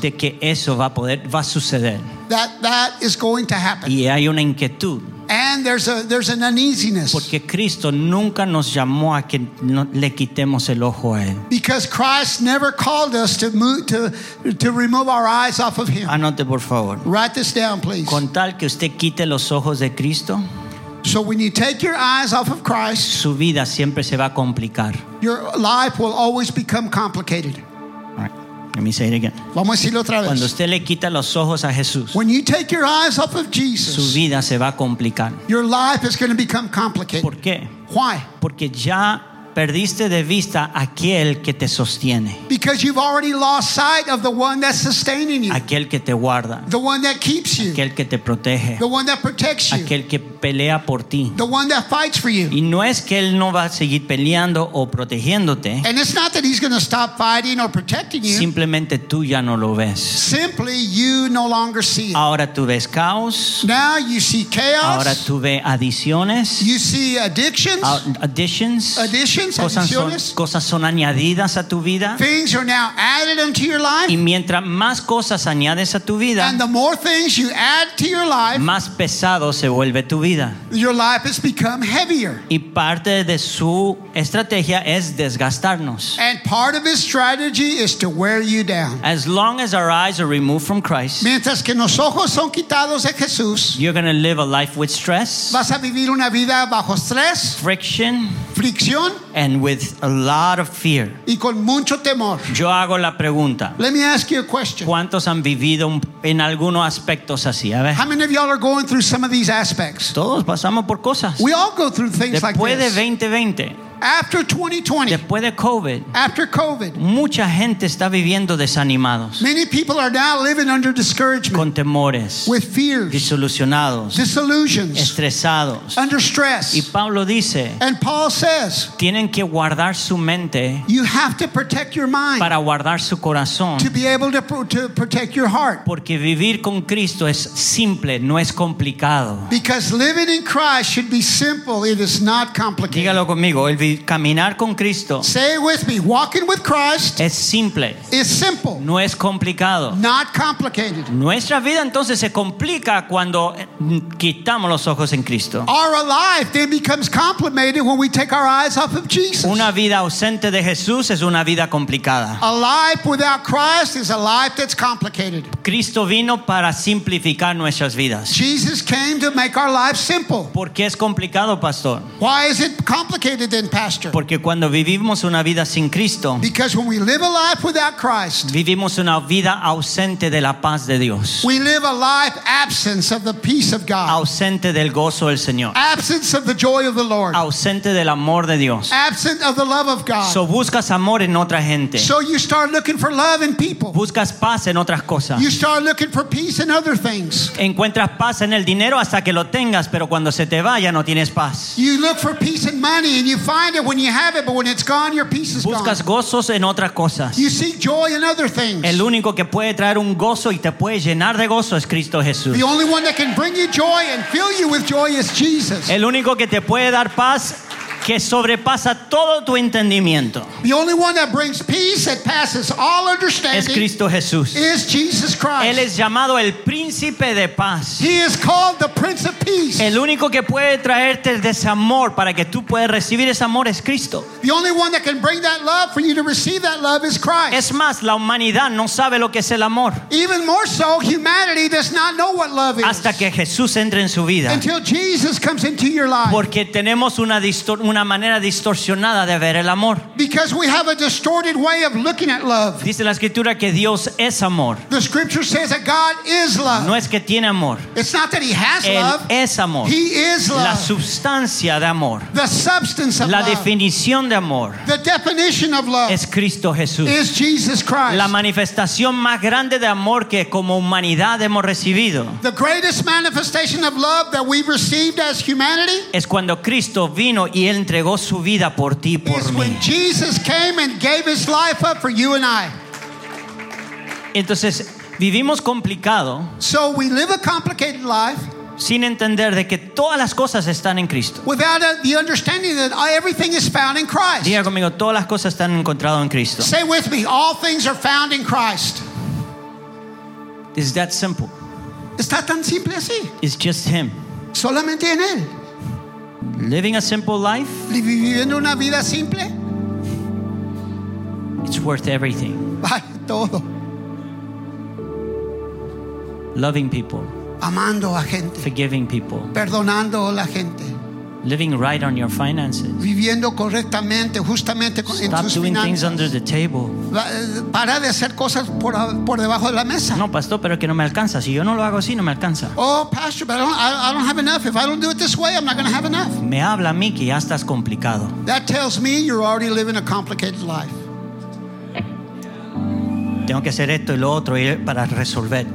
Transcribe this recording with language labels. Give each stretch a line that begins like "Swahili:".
Spanish: de que eso va a suceder.
English: That is going to happen.
Spanish: Y hay una inquietud.
English: And there's an uneasiness.
Spanish: Porque Cristo nunca nos llamó a que no, le quitemos el ojo a él.
English: Because Christ never called us to remove our eyes off of him.
Spanish: Anote por favor.
English: Write this down, please.
Spanish: Con tal que usted quite los ojos de Cristo.
English: So when you take your eyes off of Christ,
Spanish: su vida siempre se va a complicar.
English: Your life will always become complicated. Let me say it again.
Spanish: Vamos a decirlo otra vez. Cuando usted le quita los ojos a Jesús,
English: when you take your eyes off of Jesus,
Spanish: su vida se va a complicar.
English: Your life is going to become complicated.
Spanish: ¿Por qué?
English: Why?
Spanish: Porque ya perdiste de vista aquel que te sostiene.
English: Because you've already lost sight of the one that's sustaining you.
Spanish: Aquel que te guarda.
English: The one that keeps you.
Spanish: Aquel que te protege.
English: The one that protects you.
Spanish: Aquel que pelea por ti.
English: The one that fights for you.
Spanish: Y no es que él no va a seguir peleando o protegiéndote.
English: And it's not that he's going to stop fighting or protecting you.
Spanish: Simplemente tú ya no lo ves.
English: Simply you no longer see it.
Spanish: Ahora tú ves caos.
English: Now you see chaos.
Spanish: Ahora tú ves adiciones.
English: You see addictions.
Spanish: Cosas son añadidas a tu vida.
English: Things are now added into your life.
Spanish: Y mientras más cosas añades a tu vida,
English: and the more things you add to your life,
Spanish: más pesado se vuelve tu vida.
English: Your life has become heavier.
Spanish: Y parte de su estrategia es desgastarnos.
English: And part of his strategy is to wear you down. As long as our eyes are removed from Christ,
Spanish: mientras que los ojos son quitados de Jesús,
English: you're going to live a life with stress.
Spanish: Vas a vivir una vida bajo estrés.
English: Friction.
Spanish: Fricción.
English: And with a lot of fear.
Spanish: Y con mucho temor. Yo hago la pregunta.
English: Let me ask you a question.
Spanish: ¿Cuántos han vivido en algunos aspectos así? A ver.
English: How many of y'all are going through some of these aspects?
Spanish: Todos pasamos por cosas.
English: We all go through things
Spanish: después
English: like this.
Spanish: Después de 2020.
English: After 2020,
Spanish: después de COVID,
English: after COVID,
Spanish: mucha gente está viviendo desanimados.
English: Many people are now living under discouragement,
Spanish: con temores,
English: with fears,
Spanish: desilusionados,
English: disillusions,
Spanish: estresados,
English: under stress.
Spanish: Y Pablo dice,
English: and Paul says,
Spanish: tienen que guardar su mente,
English: you have to protect your mind,
Spanish: para guardar su corazón,
English: to be able to protect your heart,
Spanish: porque vivir con Cristo es simple, no es complicado.
English: Because living in Christ should be simple, it is not complicated.
Spanish: Dígalo conmigo. Caminar con Cristo.
English: Say it with me. Walking with Christ.
Spanish: Es simple.
English: Is simple.
Spanish: No es complicado.
English: Not complicated.
Spanish: Nuestra vida entonces se complica cuando quitamos los ojos en Cristo.
English: Our life then becomes complicated when we take our eyes off of Jesus.
Spanish: Una vida ausente de Jesús es una vida complicada.
English: A life without Christ is a life that's complicated.
Spanish: Cristo vino para simplificar nuestras vidas.
English: Jesus came to make our lives simple.
Spanish: ¿Por qué es complicado, pastor?
English: Why is it complicated? Pastor.
Spanish: Porque cuando vivimos una vida sin Cristo,
English: because when we live a life without Christ,
Spanish: vivimos una vida ausente de la paz de Dios.
English: We live a life absence of the peace of God.
Spanish: Ausente del gozo del Señor.
English: Absence of the joy of the Lord.
Spanish: Ausente del amor de Dios.
English: Absent of the love of God.
Spanish: So buscas amor en otra gente.
English: So you start looking for love in people.
Spanish: Buscas paz en otras cosas.
English: You start looking for peace in other things.
Spanish: Encuentras paz en el dinero hasta que lo tengas, pero cuando se te vaya no tienes paz.
English: You look for peace in money and you find it when you have it, but when it's gone, your peace is gone.
Spanish: Buscas gozos en otras cosas.
English: You seek joy in other things.
Spanish: El único que puede traer un gozo y te puede llenar de gozo es Cristo Jesús.
English: The only one that can bring you joy and fill you with joy is Jesus.
Spanish: El único que te puede dar paz que sobrepasa todo tu entendimiento.
English: The only one that brings peace that passes all understanding
Spanish: es Cristo Jesús.
English: Is Jesus Christ.
Spanish: Él es llamado el Príncipe de Paz.
English: He is called the Prince of Peace.
Spanish: El único que puede traerte el desamor para que tú puedas recibir ese amor es Cristo.
English: The only one that can bring that love for you to receive that love is Christ.
Spanish: Es más, la humanidad no sabe lo que es el amor.
English: Even more so, humanity does not know what love is.
Spanish: Hasta que Jesús entre en su vida.
English: Until Jesus comes into your life.
Spanish: Porque tenemos una manera distorsionada de ver el amor.
English: Because we have a distorted way of looking at love.
Spanish: Dice la escritura que Dios es amor.
English: The scripture says that God is love.
Spanish: No es que tiene amor.
English: It's not that he has
Spanish: él
English: love.
Spanish: Es amor.
English: He is love.
Spanish: La sustancia de amor.
English: The substance of
Spanish: la
English: love.
Spanish: La definición de amor.
English: The definition of love.
Spanish: Es Cristo Jesús.
English: Is Jesus Christ.
Spanish: La manifestación más grande de amor que como humanidad hemos recibido.
English: The greatest manifestation of love that we've received as humanity.
Spanish: Es cuando Cristo vino y Él entregó su vida por ti y por mí.
English: When Jesus came and gave his life up for you and I.
Spanish: Entonces, vivimos complicado.
English: So we live a complicated life.
Spanish: Sin entender de que todas las cosas están en Cristo.
English: Without the understanding that everything is found in Christ.
Spanish: Diga conmigo, todas las cosas están encontradas en Cristo.
English: Say with me, all things are found in Christ. Is that simple?
Spanish: ¿Está tan simple así?
English: It's just him.
Spanish: Solamente en él.
English: Living a simple life,
Spanish: viviendo una vida simple,
English: it's worth everything.
Spanish: Vale todo.
English: Loving people,
Spanish: amando a gente,
English: forgiving people,
Spanish: perdonando a la gente,
English: living right on your finances,
Spanish: viviendo correctamente, justamente con
English: stop
Spanish: tus
English: doing
Spanish: finanzas.
English: Things under the table.
Spanish: Para de hacer cosas por debajo de la mesa. No, pastor, pero que no me alcanza. Si yo no lo hago así, no me alcanza.
English: Oh, pastor, but I don't have enough. If I don't do it this way, I'm not going to have enough.
Spanish: Me habla a mí que ya estás complicado.
English: That tells me you're already living a complicated life.
Spanish: Tengo que hacer esto y lo otro para resolver.